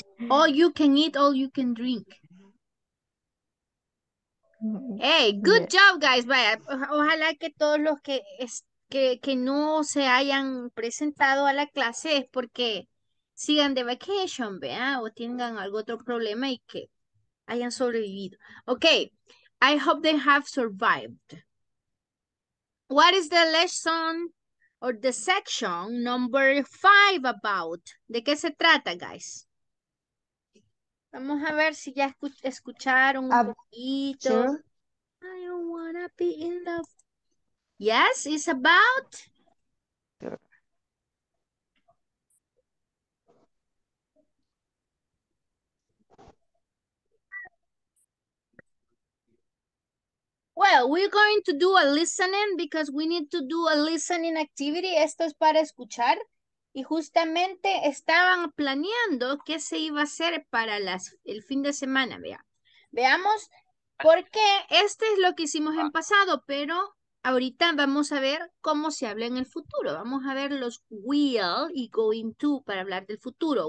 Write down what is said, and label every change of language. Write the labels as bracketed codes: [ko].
[en] All you can eat, all you can drink. Hey, good job, guys. [es] Vaya, ojalá que todos los que no se hayan presentado a la clase es porque sigan de vacation, vea, o tengan algún otro problema y que hayan sobrevivido. [en] Okay, I hope they have survived. What is the lesson or the section number 5 about? [es] ¿De qué se trata, guys? Vamos a ver si ya escucharon un poquito. [en] Sure. I don't wanna be in love. Yes, it's about. Well, we're going to do a listening because we need to do a listening activity. [es] Esto es para escuchar. Y justamente estaban planeando qué se iba a hacer para el fin de semana. Veamos por qué. Este es lo que hicimos en pasado, pero ahorita vamos a ver cómo se habla en el futuro. Vamos a ver los will y going to para hablar del futuro.